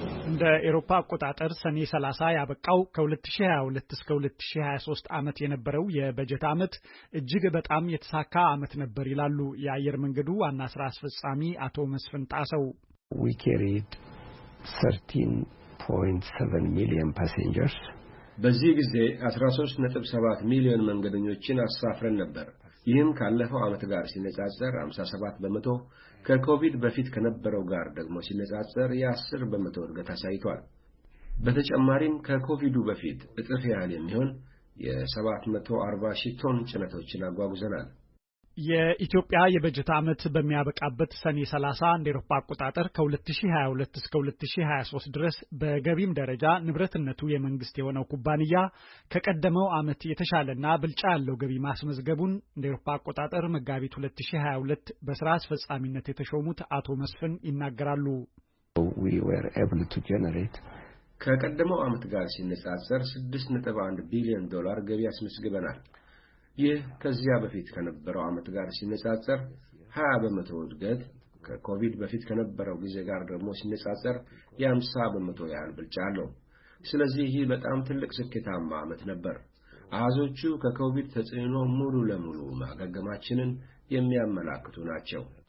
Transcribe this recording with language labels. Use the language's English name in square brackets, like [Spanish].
[Amharic] እንደ አውሮፓ አቆጣጠር ሰኔ 30 ያበቃው ከ2022 እስከ 2023 ዓመት የነበረው የበጀት ዓመት እጅግ በጣም የተሳካ ዓመት ነበር ይላሉ የአየር መንገዱ ዋና ስራ አስፈጻሚ አቶ መስፍን ጣሰው። [English] We carried 13.7 million passengers. [Amharic] በዚህ ጊዜ 13.7 ሚሊዮን መንገደኞችን አሳፍረን ነበር። ይህም ካለፈው ዓመት ጋር ሲነጻጸር 57% ከኮቪድ በፊት ከነበረው ጋር ደግሞ ሲነጻጸር የ10% እድገት አሳይቷል። በተጨማሪም ከኮቪዱ በፊት እጥፍ ያህል የሚሆን የ740 ሺህ ቶን ጭነቶችን አጓጉዘናል። የኢትዮጵያ የበጀት ዓመት በሚያበቃበት ሰኔ 30 እንደ አውሮፓ አቆጣጠር ከ2022 እስከ 2023 ድረስ በገቢም ደረጃ ንብረትነቱ የመንግስት የሆነው ኩባንያ ከቀደመው ዓመት የተሻለና ብልጫ ያለው ገቢ ማስመዝገቡን እንደ አውሮፓ አቆጣጠር መጋቢት 2022 በስራ አስፈጻሚነት የተሾሙት አቶ መስፍን ይናገራሉ። [English] We were able to generate [Amharic] ከቀደመው ዓመት ጋር ሲነጻጸር 6.1 ቢሊዮን ዶላር ገቢ አስመዝግበናል። ይህ ከዚያ በፊት ከነበረው ዓመት ጋር ሲነጻጸር 20% እድገት፣ ከኮቪድ በፊት ከነበረው ጊዜ ጋር ደግሞ ሲነጻጸር የ50% ያህል ብልጫ አለው። ስለዚህ ይህ በጣም ትልቅ ስኬታማ ዓመት ነበር። አሃዞቹ ከኮቪድ ተጽዕኖ ሙሉ ለሙሉ ማገገማችንን የሚያመላክቱ ናቸው።